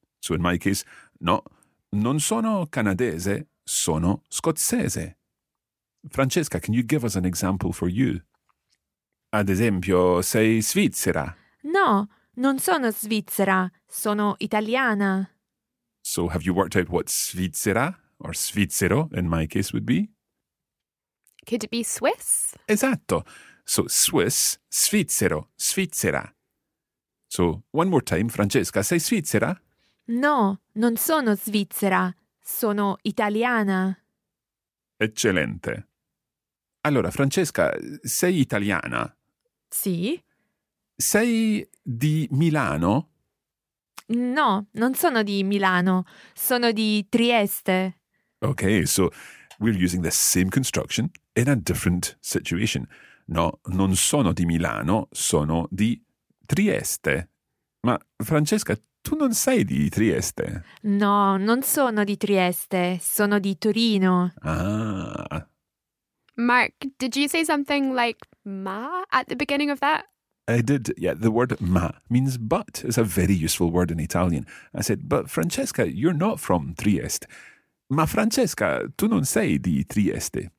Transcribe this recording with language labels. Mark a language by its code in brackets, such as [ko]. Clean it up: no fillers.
[en] So in my case, [it] no, non sono canadese, sono scozzese. [en] Francesca, can you give us an example for you? [it] Ad esempio, sei svizzera? No, non sono svizzera, sono italiana. [en] So have you worked out what svizzera, or svizzero in my case, would be? Could it be Swiss? [it] Esatto. [en] So Swiss, svizzero, svizzera. So one more time, Francesca, [it] sei svizzera? No, non sono svizzera, sono italiana. Eccellente. Allora, Francesca, sei italiana? Sì. Sei di Milano? No, non sono di Milano. Sono di Trieste. [en] Okay, so we're using the same construction in a different situation. [it] No, non sono di Milano, sono di Trieste. Ma Francesca, tu non sei di Trieste. No, non sono di Trieste, sono di Torino. Ah. [en] Mark, did you say something like ma at the beginning of that? I did, yeah. The word ma means but. It's a very useful word in Italian. I said, but Francesca, you're not from Trieste. [it] Ma Francesca, tu non sei di Trieste.